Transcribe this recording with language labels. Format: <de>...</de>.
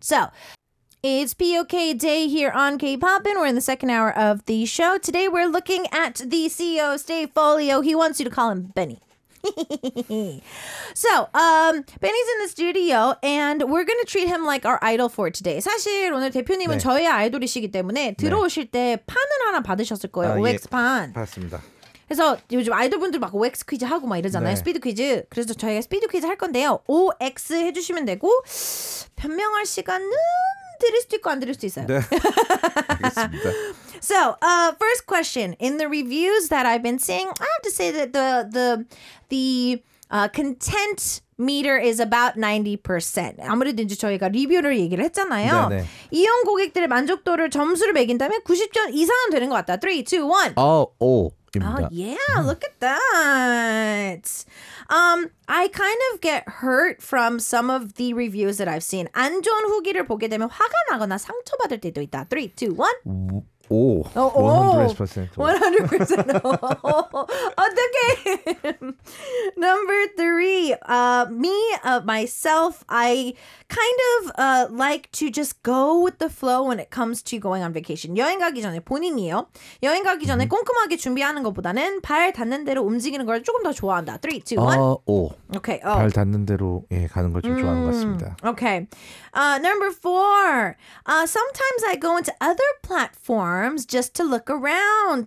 <en>So it's POK Day here on K-Poppin'. We're in the second hour of the show. Today, we're looking at the CEO of Stayfolio. He wants you to call him Benny. So, Benny's in the studio and we're going to treat him like our idol for today.</en> <ko>사실 오늘 대표님은 네. 저희 아이돌이시기 때문에 들어오실 네. 때 판을 하나 받으셨을 거예요. 아, OX 예. 판. 받았습니다. 그래서 요즘 아이돌분들 막 OX 퀴즈 하고 막 이러잖아요. 네. 스피드 퀴즈. 그래서 저희가 스피드 퀴즈 할 건데요. OX 해 주시면 되고 변명할 시간은 드릴 수도 있고 안 드릴 수도 있어요. 네. 알겠습니다.</ko> <en>So, first question. In the reviews that I've been seeing, I have to say that the content meter is about 90%.</en> <ko>아무래도 이제 저희가 리뷰를 얘기를 했잖아요. 네네. 이용 고객들의 만족도를 점수를 매긴다면 90점 이상은 되는 것 같다. 3, 2, 1. 5입니다.</ko> <en>Oh, yeah, look at that. I kind of get hurt from some of the reviews that I've seen.</en> <ko>안 좋은 후기를 보게 되면 화가 나거나 상처받을 때도 있다. 3, 2, 1.</ko> <en>Oh, 100%.</en> <ko>100%. 어떡해.</ko> <en>Number 3. Myself, I kind of like to just go with the flow when it comes to going on vacation.</en> <ko>여행 가기 전에 본인이요. 여행 가기 전에 꼼꼼하게 준비하는 것보다는 발 닿는 대로 움직이는 걸 조금 더 좋아한다. 3, 2, 1. 오케이. Okay, 발 닿는 대로 예, 가는 걸 좀 좋아하는 것 같습니다.</ko> <en>오케이. Okay. Number 4. Sometimes I go into other platforms just to look around.</en>